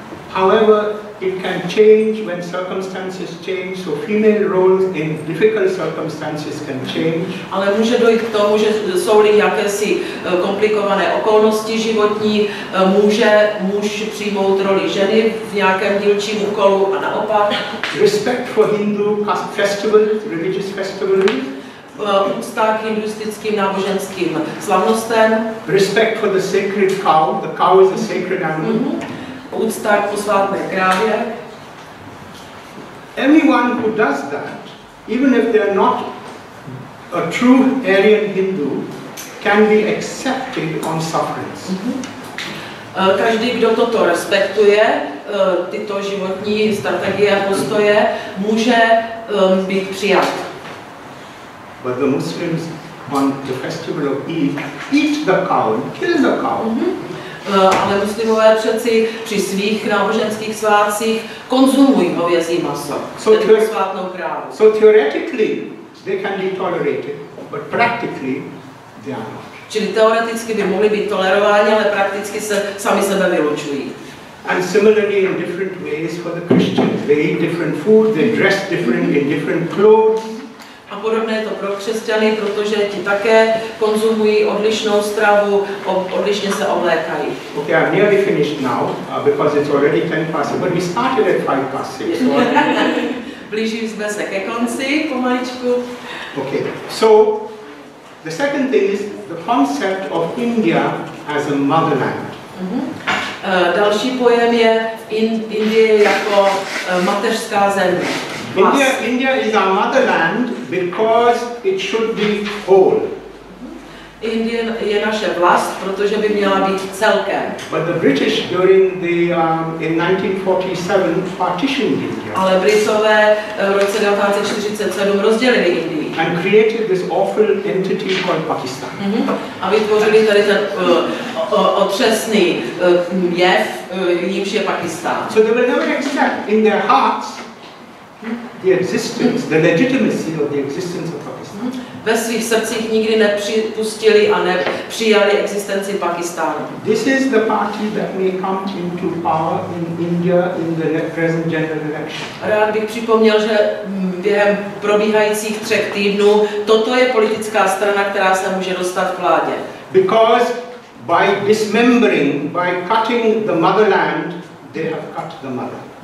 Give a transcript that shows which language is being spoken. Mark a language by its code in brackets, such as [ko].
[en] However, it can change when circumstances change, so female roles in difficult circumstances can change. [cs] Ale může dojít k tomu, že jsou-li jakési komplikované okolnosti životní, může muž přijmout roli ženy v nějakém dílčím úkolu a naopak. [en] Respect for Hindu festivals, religious festivals. [cs] Úcta k hinduistickým náboženským slavnostem. [en] Respect for the sacred cow. The cow is a sacred animal. Mm-hmm. [cs] Úcta k posvátné krávě. [en] Anyone who does that, even if they are not a true Aryan Hindu, can be accepted on sufferance. [cs] Každý, kdo toto respektuje, tyto životní strategie a postoje, může být přijat. [en] But the Muslims on the festival of Eid, eat the cow, kill the cow. [cs] Ale muslimové přeci při svých náboženských svátcích konzumují hovězí maso, tedy posvátnou krávu. [en] So theoretically they can be tolerated, but practically they are not. [cs] Čili teoreticky by mohli být tolerováni, ale prakticky se sami sebe vylučují. [en] And similarly in different ways for the Christians. They eat different food, they dress different in different clothes. [cs] A podobné je to pro křesťany, protože ti také konzumují odlišnou stravu, odlišně se oblékají. [en] Okay, I'm nearly finished now, because it's already 10 past 6, but we started at 5 past 6. [cs] Blížím jsme se ke konci, pomaličku. [en] Okay, so the second thing is the concept of India as a motherland. [cs] Další pojem je Indie jako mateřská země. [en] India is our motherland because it should be whole. [cs] India je naše vlast, protože by měla být celkem. [en] But the British during the in 1947 partitioned India. [cs] Ale Britové v roce 1947 rozdělili Indii. [en] And created this awful entity called Pakistan. [cs] A vytvořili tady ten otřesný jev, jímž je Pakistan. [en] So they will never accept in their hearts the existence, the legitimacy of the existence of Pakistan. [cs] Ve svých srdcích nikdy nepřipustili a nepřijali existenci Pakistánu. [en] This is the party that may come into power in India in the present general election. [cs] Rád bych připomněl, že během probíhajících třech týdnů toto je politická strana, která se může dostat k vládě. [en] Because by dismembering, by cutting the motherland, they have cut the mother.